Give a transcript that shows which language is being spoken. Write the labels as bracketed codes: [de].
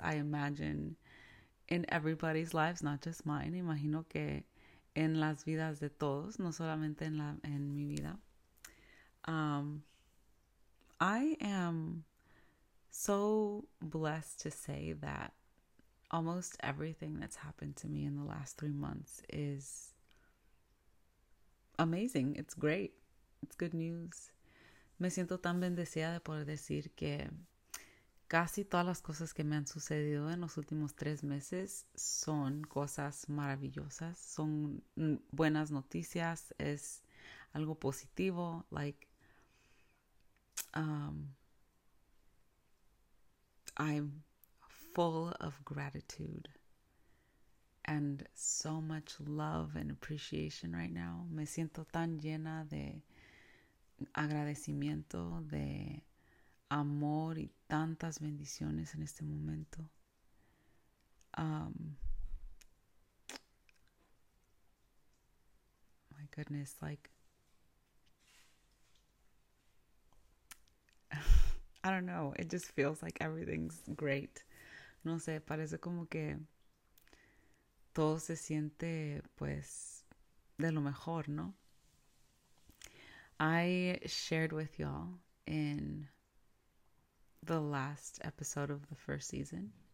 [en] I imagine in everybody's lives, not just mine. [es] Imagino que en las vidas de todos, no solamente en mi vida. [en] I am so blessed to say that almost everything that's happened to me in the last 3 months is amazing. It's great. It's good news. [es] Me siento tan bendecida de poder decir que casi todas las cosas que me han sucedido en los últimos 3 meses son cosas maravillosas, son buenas noticias, es algo positivo. [en] I'm full of gratitude and so much love and appreciation right now. [es] Me siento tan llena de agradecimiento, de amor y tantas bendiciones en este momento. [en] My goodness, I don't know, it just feels like everything's great. [es] No sé, parece como que todo se siente pues de lo mejor, ¿no? [en] I shared with y'all in the last episode of the first season.